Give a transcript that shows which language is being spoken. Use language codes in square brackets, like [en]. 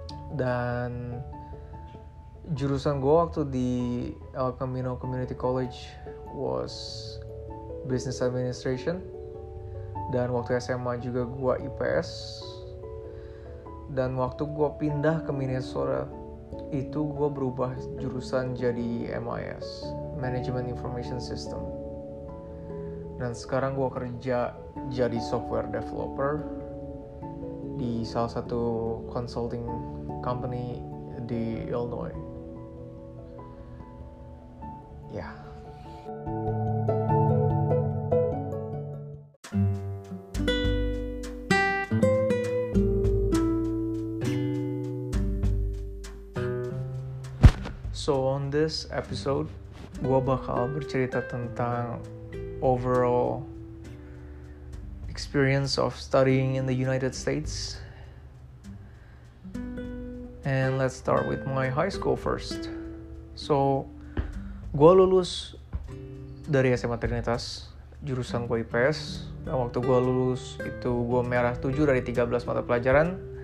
[id] Dan jurusan gue waktu di El Camino Community College was Business Administration. Dan waktu SMA juga gue IPS. Dan waktu gue pindah ke Minnesota, itu gue berubah jurusan jadi MIS, Management Information System. Dan sekarang gue kerja jadi software developer di salah satu consulting company di Illinois. [en] Yeah. So on this episode, [id] gua bakal bercerita tentang [en] overall experience of studying in the United States. And let's start with my high school first. [id] So, gua lulus dari SMA Trinitas, jurusan gua IPS. Dan waktu gua lulus itu gua merah 7 dari 13 mata pelajaran.